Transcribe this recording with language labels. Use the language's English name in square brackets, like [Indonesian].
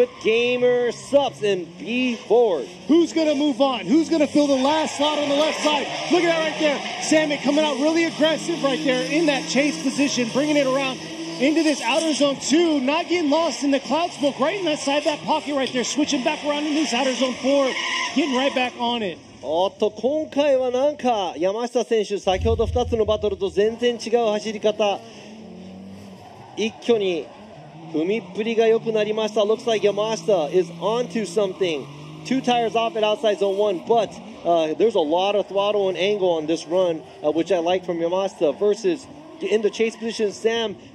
[Japanese] リューマ選手頑張ってほしいです。さあ、3回目のバトル、2つ目のワンモアタイムバトルとなります。この両者、どっちが勝つか分からない。先行山下勝坂選手、カズパワー&ワコーズ、K-Factory、VS。サム・ルーカス選手、サムウィッド・ゲーマー、サブス&B4。 [English] Who's gonna move on? Who's gonna fill the last slot on the left side? Look at that right there. Sammy coming out really aggressive right there in that chase position, bringing it around into this outer zone 2, not getting lost in the cloud smoke, right inside that pocket right there, switching back around into this outer zone 4, getting right back on it. [Japanese] おっと、今回はなんか山下選手、先ほど2つのバトルと全然違う走り方、一挙に踏みっぷりが良くなりました。 [English] Looks like Yamashita is onto something. Two tires off at outside zone 1, but there's a lot of throttle and angle on this run, which I like from Yamashita, versus in the chase position, Sam.